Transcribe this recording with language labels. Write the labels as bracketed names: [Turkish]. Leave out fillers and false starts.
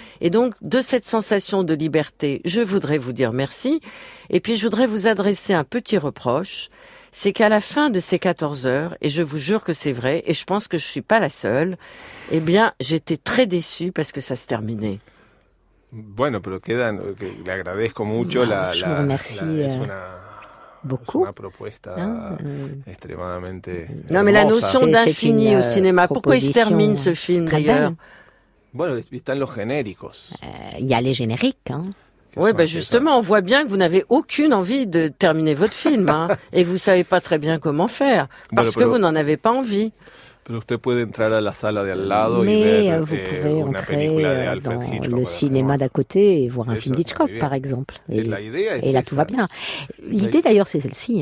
[French] Et donc, de cette sensation de liberté, je voudrais vous dire merci. Et puis, je voudrais vous adresser un petit reproche. C'est qu'à la fin de ces 14 heures, et je vous jure que c'est vrai, et je pense que je suis pas la seule, eh bien, j'étais très déçue parce que ça se terminait. [Spanish] Bueno, pero quedan, le agradezco mucho [French] je vous remercie. Beaucoup. C'est une proposition extrêmement. Non, mais la notion d'infini au cinéma, pourquoi il se termine ce film d'ailleurs? [Spanish] Bueno, están los genéricos. [French] Il y a les génériques. Hein. Oui, bah, justement, on voit bien que vous n'avez aucune envie de terminer votre film hein, et vous ne savez pas très bien comment faire parce que vous n'en avez pas envie. [Spanish] Pero usted puede entrar a la sala de al lado [French] mais [Spanish] y ver, [French] vous pouvez entrer dans Hitchcock, le cinéma d'à côté et voir un film d'Hitchcock, par exemple. Et là, tout va bien. L'idée, d'ailleurs, c'est celle-ci.